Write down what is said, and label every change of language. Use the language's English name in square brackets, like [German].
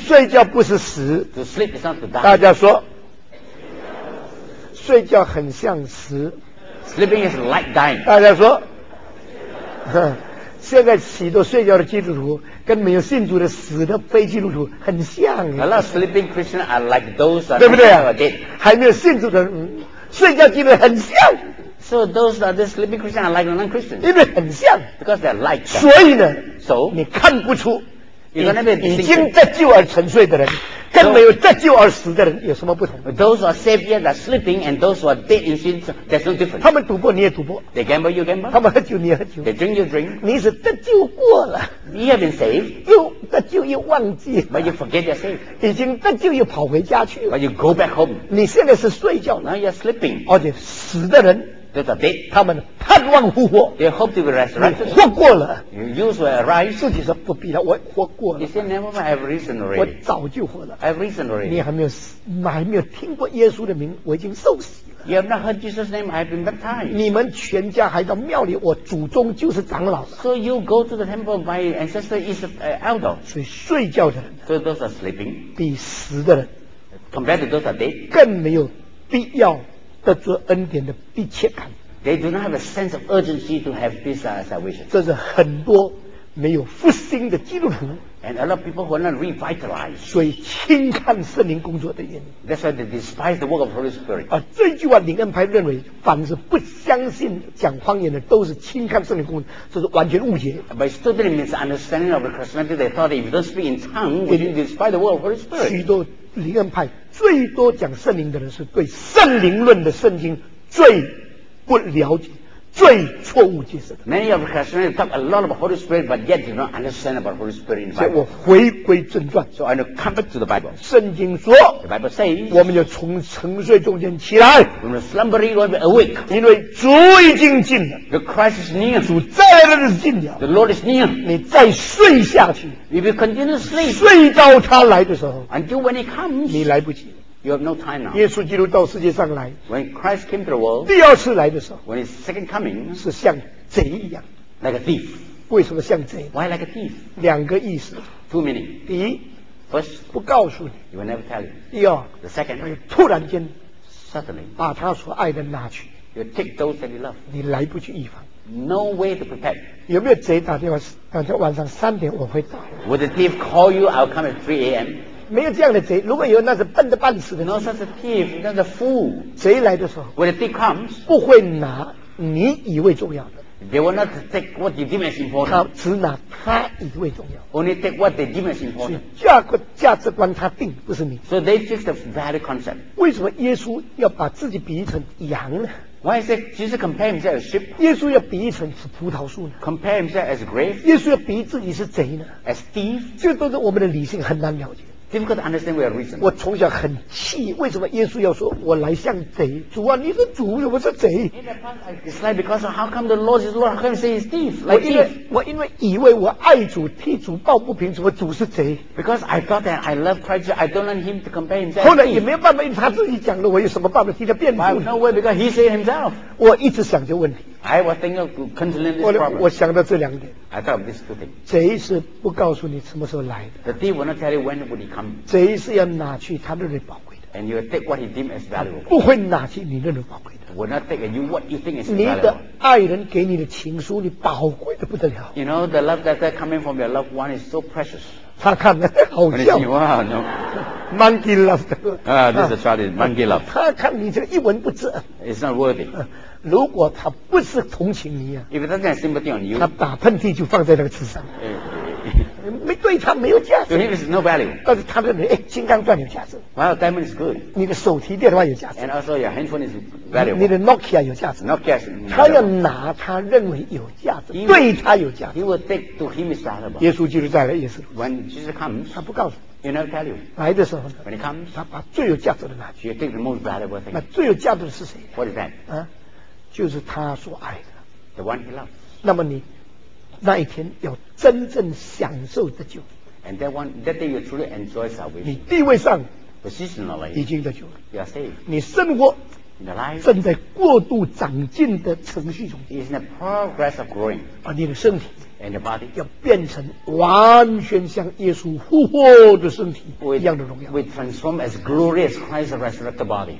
[Chinese] 睡觉不是死 [English] To sleep is not to die [Chinese] 大家说睡觉很像死 [English] Sleeping is like dying. [Chinese] 大家说，现在许多睡觉的基督徒跟没有信主的死的非基督徒很像。 [English] A lot of sleeping Christians are like those, [Chinese] 对不对？ [English] Dead. [Chinese] 还没有信主的、睡觉基督徒很像。 [English] So those are the sleeping Christians are like non-Christians. [Chinese] 因为很像。 [English] Because they're like. [Chinese] 所以呢 [English] ，So [Chinese] 你看不出你已经得救而沉睡的人。跟没有得救而死的人有什么不同 [English] Those who are saved yet are sleeping and those who are dead in sin there's no difference [Chinese] 他们赌博你也赌博 [English] They gamble you gamble [Chinese] 他们喝酒你也喝酒 [English] They drink you drink [Chinese] 你是得救过了 [English] You have been saved [Chinese] 又得救又忘记 [English] But you forget you're saved [Chinese] 已经得救又跑回家去了 [English] But you go back home [Chinese] 你现在是睡觉 [English] Now you're sleeping [Chinese] 而且死的人 [English] They're dead [Chinese] 他们盼望复活 [English] They hope to be resurrected [Chinese] 活过了 [English] You used to arise [Chinese] 自己说不必了我活过了 [English] You say never mind I have reason already [Chinese] 我早就活了 [English] I have reason already [Chinese] 你还没有听过耶稣的名我已经受洗了 [English] You have not heard Jesus name I have been baptized [Chinese] 你们全家还到庙里我祖宗就是长老 [English] So you go to the temple my ancestor is elder [Chinese] 所以睡觉的人 [English] So those are sleeping [Chinese] 比死的人 [English] Compared to those are dead [Chinese] 更没有必要得着恩典的迫切感 [English] They do not have a sense of urgency to have this salvation [Chinese] 这是很多没有复兴的基督徒 [English] And a lot of people who are not revitalized [Chinese] 所以轻看圣灵工作的原因 [English] That's why they despise the work of Holy Spirit [Chinese] 而这句话灵恩派认为凡是不相信讲方言的都是轻看圣灵工作这是完全误解 [English] But it certainly means understanding of the Christianity they thought that if you don't speak in tongue would you despise the work of Holy Spirit [Chinese] 许多灵恩派最多讲圣灵的人是对圣灵论的圣经最不了解最错误解释的。 [English] Many of the Christians talk a lot about Holy Spirit, but yet do not understand about Holy Spirit in the Bible. [Chinese] 所以我回归正传。 [English] So I come back to the Bible. [Chinese] 圣经说 [English] ，The Bible says， [Chinese] 我们要从沉睡中间起来。 [English] From the slumbering, we'll be awake. [Chinese] 因为主已经近了。 [English] The Christ is near. [Chinese] 主再来的日子近了。 [English] The Lord is near. [Chinese] 你再睡下去 [English] ，If you continue to sleep， [Chinese] 睡到他来的时候 [English] ，Until when he comes， [Chinese] 你来不及。 [English] You have no time now. [Chinese] 耶稣基督到世界上来 [English] When Christ came to the world, [Chinese] 第二次来的时候 [English] When his second coming, [Chinese] 是像贼一样 [English] Like a thief. [Chinese] 为什么像贼 [English] Why like a thief? [Chinese] 两个意思 [English] Two meaning. [Chinese] 第一 [English] First, [Chinese] 不告诉你 [English] He will never tell you. [Chinese] 第二 [English] The second, [Chinese] 突然间 [English] Suddenly, [Chinese] 把他所爱的拿去 [English] You take those that you love. [Chinese] 你来不及预防 [English] No way to protect. [Chinese] 有没有贼打电话当天晚上三点我会到 [English] Would the thief call you, I'll come at 3 a.m. [Chinese] 没有这样的贼，如果有那是笨的半死的。 [English] No such a thief, not a fool. [Chinese] 贼来的时候 [English] ，When a thief comes， [Chinese] 不会拿你以为重要的。 [English] They will not take what they deem as important. [Chinese] 他只拿他以为重要。 [English] Only take what they deem as important. [Chinese] 价值观他定，不是你。 [English] So they fix the value concept. [Chinese] 为什么耶稣要把自己比喻成羊呢？ [English] Why is it Jesus compare himself as sheep? [Chinese] 耶稣要比喻成是葡萄树呢 [English] ？Compare himself as grape? [Chinese] 耶稣要比喻自己是贼呢 [English] ？As thief? [Chinese] 这都是我们的理性很难了解。 [English] Difficult to understand where reason. [Chinese] 我从小很气，为什么耶稣要说我来像贼？主啊，你是主，我是贼。 [English] In the past, it's like because how come the Lord is Lord? How come he says he's thief? Like thief. [Chinese] 我因为以为我爱主，替主抱不平，怎么主是贼 [English] ？Because I thought that I love Christ, I don't want him to compare himself. [Chinese] 后来也没有办法，他自己讲了，我有什么办法替他辩护 [English] ？I have no way because he said himself. [Chinese] 我一直想这个问题。 [English] I was thinking of continuing this problem. [Chinese] 我想到这两点。 [English] I thought of these two things. [Chinese] 贼是不告诉你什么时候来的。 [English] The thief will not tell you when would he come. [Chinese] 贼是要拿去他认为宝贵的。 [English] And you will take what he deems as valuable. [Chinese] 不会拿去你认为宝贵的。 [English] Will not take you what you think is valuable. [Chinese] 你的爱人给你的情书，你宝贵的不得了。 [English] You know the love that's coming from your loved one is so precious. [Chinese] 他看的好笑。 [English] Wow, no. Monkey love. Ah, this is Charlie. Monkey love. [Chinese] 他看你这一文不值。 [English] It's not worthy. [Chinese] 如果他不是同情你啊 [English] If he doesn't have sympathy on you, [Chinese] 他打喷嚏就放在那个纸上没对他没有价值 [English] To him is no value [Chinese] 但是他认为、哎、金刚钻有价值 [English] Well, diamond is good [Chinese] 你的手提电话有价值 [English] And also your handphone is valuable [Chinese] 你的 Nokia 有价值 [English] Nokia is [Chinese] 他要拿他认为有价值 [English] will, [Chinese] 对他有价值 [English] He will take to him is valuable [Chinese] 耶稣基督再来也是 [English] When Jesus comes [Chinese] 他不告诉 [English] He'll never tell you [Chinese] 来的时候 [English] When he comes [Chinese] 他把最有价值的拿去 [English] He'll take the most valuable thing [Chinese] 那最有价值的是谁 [English] What is that?、 [Chinese] 啊就是他所爱的 [English] The one he loves [Chinese] 那么你那一天要真正享受的救 [English] And that, one, that day you truly enjoy salvation [Chinese] 你地位上 [English] Positionally [Chinese] 已经得救了 [English] You are saved [Chinese] 你生活 [English] In the life [Chinese] 正在过度长进的程序中 [English] It is in the progress of growing [Chinese] 把你的身体 [English] And your body [Chinese] 要变成完全像耶稣复活的身体一样的荣耀 [English] We transform as glorious Christ's resurrected body